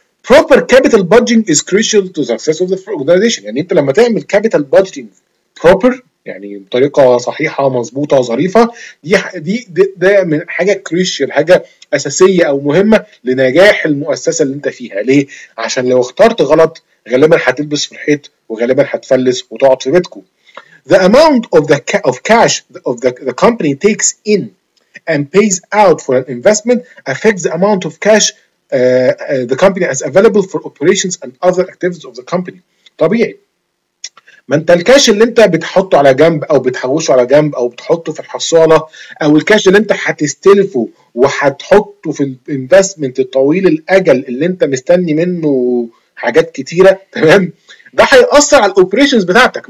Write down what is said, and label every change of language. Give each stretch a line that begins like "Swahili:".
English: proper capital budgeting is crucial to success of the organisation,
Arabic: يعني انت لما تعمل كابيتال بادجيتنج بروبر يعني بطريقه صحيحه مظبوطه ظريفه، دي من حاجه كريشال، حاجه اساسيه او مهمه لنجاح المؤسسه اللي انت فيها. ليه؟ عشان لو اخترت غلط غالبا هتلبس في الحيط وغالبا هتفلس وتقعد في بيتكم.
English: The amount of the cash of the company takes in and pays out for an investment affects the amount of cash the company has available for operations and other activities of the company.
Arabic: طبيعي، ما انت الكاش اللي انت بتحطه على جنب او بتحوشه على جنب او بتحطه في الحصاله او الكاش اللي انت هتستلفه وهتحطه في الانفستمنت الطويل الاجل اللي انت مستني منه حاجات كتيره، تمام؟ ده هيأثر على الاوبريشنز بتاعتك.